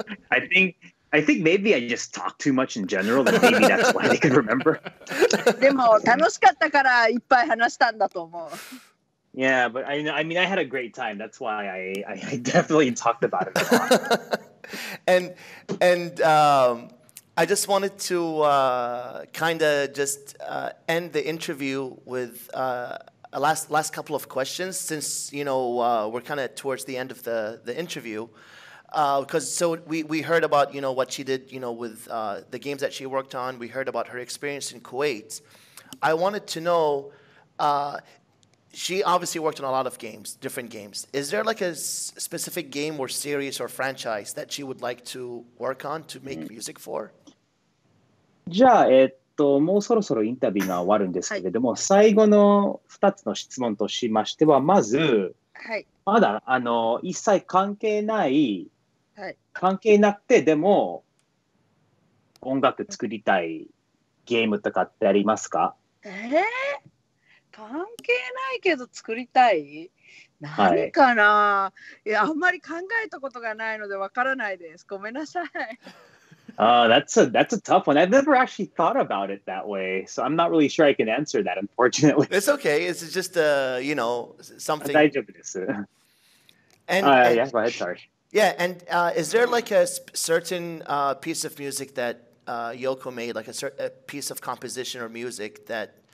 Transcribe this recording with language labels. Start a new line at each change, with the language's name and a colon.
English: I think maybe I just talk too much in general, and maybe that's why they can remember.
Japanese: でも楽しかったからいっぱい話したんだと思う。
English: Yeah, but I mean, I had a great time. That's why I definitely talked about it a lot. and I just wanted to kind of just end the interview with a last couple of questions, since, you know, we're kind of towards the end of the interview. Because we heard about, you know, what she did, you know, with the games that she worked on. We heard about her experience in Kuwait. I wanted to know... She obviously worked on a lot of games, different games. Is there like a specific game or series or franchise that she would like to work on to make music for?
Japanese: じゃあ、もうそろそろインタビューが終わるんですけれども、はい、最後の2つの質問としましては、まず、はい、まだ一切関係ない、はい、関係なくてでも音楽作りたいゲームとかってありますか？関係ないけど作りたい？何かな、はい、いやあんまり考えたことがないのでわからないです。ごめんなさい。
English: That's a tough one. I've never actually thought about it that way. So I'm not really sure I can answer that, unfortunately. It's okay. It's just, you know, something.
Japanese: 大丈夫です。
English: Yeah, go ahead, sorry. Yeah, and is there like a certain piece of music that Yoko made, like a piece of composition or music that...